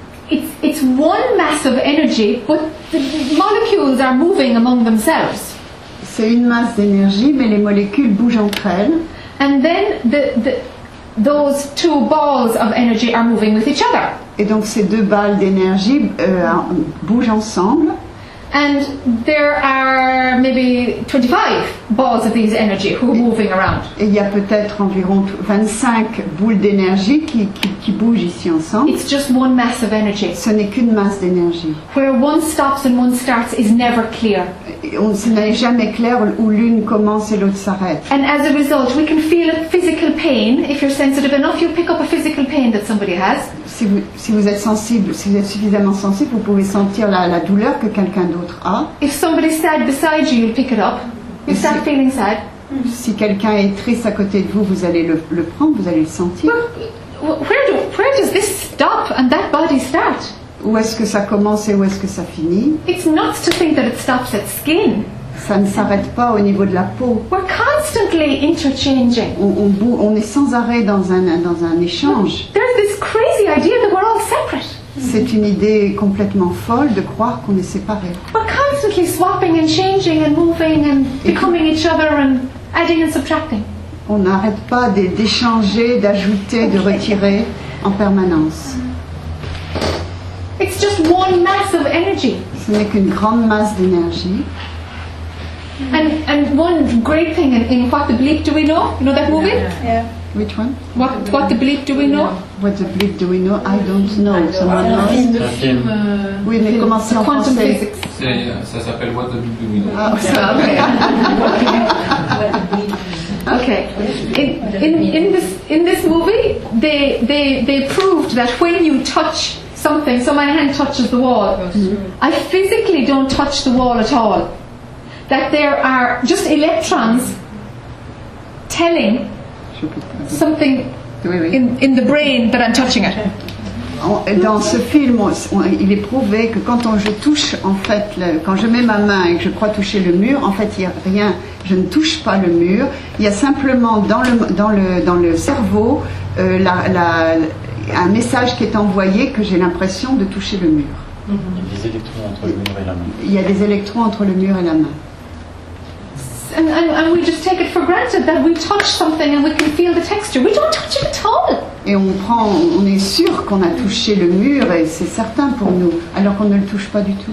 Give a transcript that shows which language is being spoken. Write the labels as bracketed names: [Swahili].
[English] It's one mass of energy, but the molecules are moving among themselves. [French] C'est une masse d'énergie, mais les molécules bougent entre elles. [English] And then those two balls of energy are moving with each other. [French] Et donc ces deux balles d'énergie bougent ensemble. [English] And there are maybe 25 balls of these energy who are moving around. [French] Et il y a peut-être environ 25 boules d'énergie qui bougent ici ensemble. [English] It's just one mass of energy. [French] Ce n'est qu'une masse d'énergie. [English] Where one stops and one starts is never clear. [French] Ce n'est jamais clair où l'une commence et l'autre s'arrête. [English] And as a result, we can feel a physical pain. If you're sensitive enough, you pick up a physical pain that somebody has. [French] Si vous êtes suffisamment sensible, vous pouvez sentir la douleur que quelqu'un d'autre a. [English] If somebody's sad beside you, you'll pick it up. You start feeling sad. [French] Si quelqu'un est triste à côté de vous, vous allez le prendre, vous allez le sentir. [English] Where does this stop and that body start? [French] Où est-ce que ça commence et où est-ce que ça finit? [English] It's nuts to think that it stops at skin. [French] Ça ne s'arrête pas au niveau de la peau. [English] We're constantly interchanging. [French] On est sans arrêt dans un échange. [English] There's this crazy idea that we're all separate. [French] C'est une idée complètement folle de croire qu'on est séparés. [English] We're constantly swapping and changing and moving and becoming each other and adding and subtracting. [French] On n'arrête pas d'échanger, d'ajouter, de retirer en permanence. [English] It's just one mass of energy. [French] Ce n'est qu'une grande masse d'énergie. [English] And one great thing in What the Bleep Do We Know? You know that movie? Yeah. Yeah. Which one? What the Bleep Do We Know? Yeah. What the Bleep Do We Know? I don't know. Someone else? [French] Oui, film. Comment c'est en [English] quantum [French] français? [English] Physics. [French] Ça s'appelle What the Bleep Do We Know. Ah, ça, [English] yeah. Okay. Okay. In this movie, they proved that when you touch something, so my hand touches the wall, I physically don't touch the wall at all. That there are just electrons telling something in the brain that I'm touching it. [French] Dans ce film, il est prouvé que quand je touche, en fait, quand je mets ma main et que je crois toucher le mur, en fait, il n'y a rien, je ne touche pas le mur. Il y a simplement dans le cerveau un message qui est envoyé que j'ai l'impression de toucher le mur. Il y a des électrons entre le mur et la main. Il y a des électrons entre le mur et la main. [English] And we just take it for granted that we touch something and we can feel the texture. We don't touch it at all. [French] Et on est sûr qu'on a touché le mur et c'est certain pour nous, alors qu'on ne le touche pas du tout.